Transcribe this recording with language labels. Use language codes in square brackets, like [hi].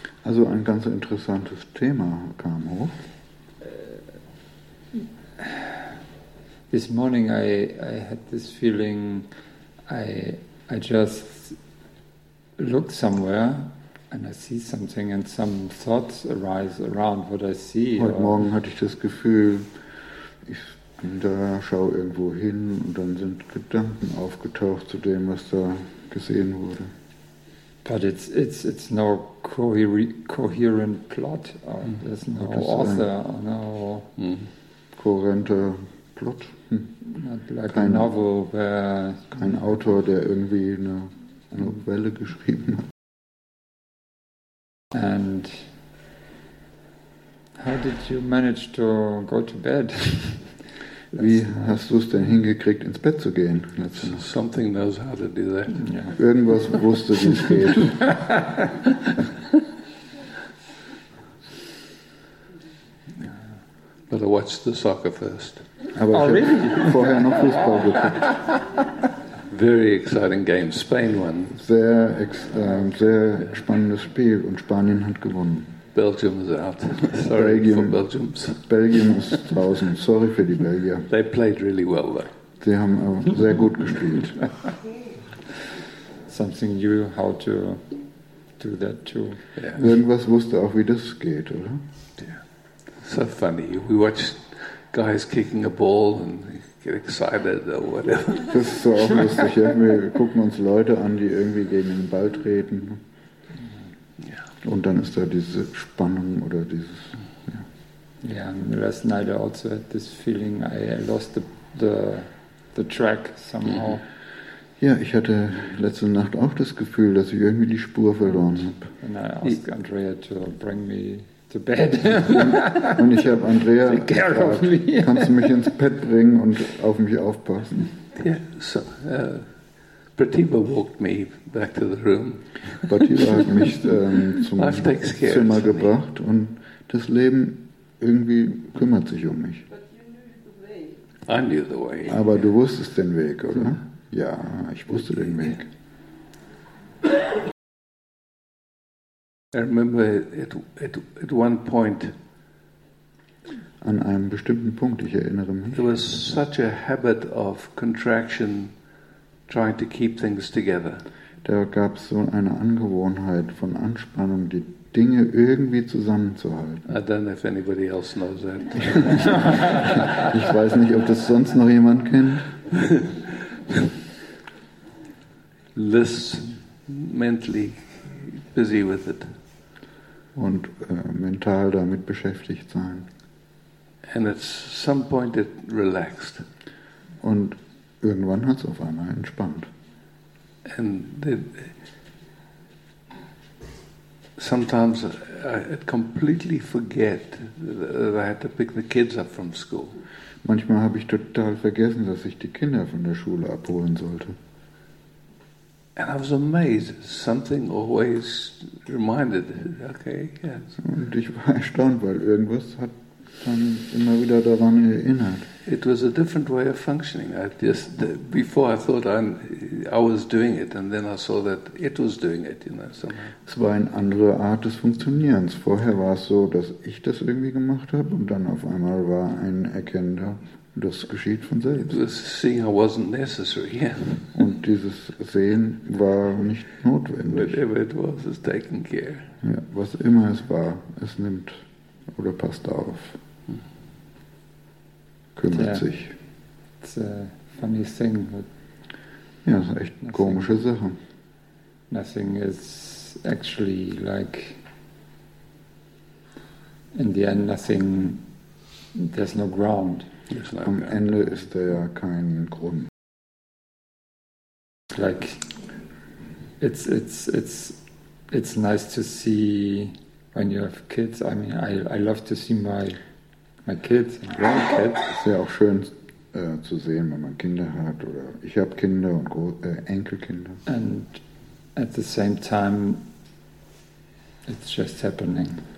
[de] Also ein ganz interessantes Thema kam hoch. [en] This morning I had this feeling I just look somewhere and I see something and some thoughts arise around what I see. [de] Heute Morgen hatte ich das Gefühl, da schau irgendwo hin und dann sind Gedanken aufgetaucht zu dem, was da gesehen wurde. [en] But it's no coherent plot. There's no author. No [de] kohärenter Plot. [en] Not like kein, a novel where [de] kein Autor, der irgendwie eine Novelle geschrieben hat. [en] And how did you manage to go to bed? [de] Wie hast du es denn hingekriegt, ins Bett zu gehen? [en] Something knows how to do that. [de] Yeah. Irgendwas wusste, wie es geht. [en] But I watched the soccer first. [de] Aber ich habe vorher noch Fußball geguckt. [en] Very exciting game. Spain won. [de] Sehr spannendes Spiel und Spanien hat gewonnen. [en] Belgium is out. Sorry for Belgiums. Belgium is draußen. Sorry for the Belgier. They played really well, though. [de] Sie haben auch sehr gut gespielt. [en] Something new, how to do that too. [de] Yeah. Irgendwas wusste auch, wie das geht, oder? [en] Yeah. So funny. We watch guys kicking a ball and get excited or whatever. [de] Das ist so auch lustig. Ja. Wir gucken uns Leute an, die irgendwie gegen den Ball treten. Und dann ist da diese Spannung oder dieses. [en] Yeah, last night I also had this feeling I lost the the track somehow. [de] Ja, ich hatte letzte Nacht auch das Gefühl, dass ich irgendwie die Spur verloren habe. [en] And I asked Andrea to bring me to bed. [de] Und ich habe Andrea gefragt, kannst du mich ins Bett bringen und auf mich aufpassen? [en] Yeah, so, Pratibha walked me back to the room. [de] Pratibha hat mich zum Zimmer gebracht und das Leben irgendwie kümmert sich um mich. [en] I knew the way. [de] Aber du wusstest den Weg, oder? Ja, ich wusste den Weg. [en] I remember at one point. [de] An einem bestimmten Punkt, ich erinnere mich. [en] There was such a habit of contraction, trying to keep things together. [de] Da gab es so eine Angewohnheit von Anspannung, die Dinge irgendwie zusammenzuhalten. [en] I don't know if anybody else knows that. [de] Ich weiß nicht, ob das sonst noch jemand kennt. [en] Liz mentally busy with it. [de] Und mental damit beschäftigt sein. [en] And at some point it relaxed. [de] Und irgendwann hat es auf einmal entspannt. [en] And sometimes I'd completely forget that I had to pick the kids up from school. [de] Manchmal habe ich total vergessen, dass ich die Kinder von der Schule abholen sollte. [en] And I was amazed. Something always reminded. Okay. Yes. [de] Und ich war erstaunt, weil irgendwas hat dann immer wieder daran erinnert. [en] It was a different way of functioning. Before I thought I was doing it, and then I saw that it was doing it. You know. [de] Es war eine andere Art des Funktionierens. Vorher war es so, dass ich das irgendwie gemacht habe, und dann auf einmal war ein Erkennender. Das geschieht von selbst. [en] It was seeing I wasn't necessary. [de] Und dieses Sehen war nicht notwendig. [en] Whatever it was, it's taken care. [de] Ja, was immer es war, es nimmt oder passt auf. Kümmert sich. [en] It's a funny thing. [de] Ja, es ist echt eine komische Sache. [en] Nothing is actually like in the end nothing, there's no ground. [de] Am Ende ist da ja kein Grund. [en] Like, it's nice to see when you have kids. I mean, I love to see my kids and grandkids. [de] Es ist ja auch schön zu sehen, wenn man Kinder hat, oder ich habe Kinder und Enkelkinder. [en] And at the same time, it's just happening.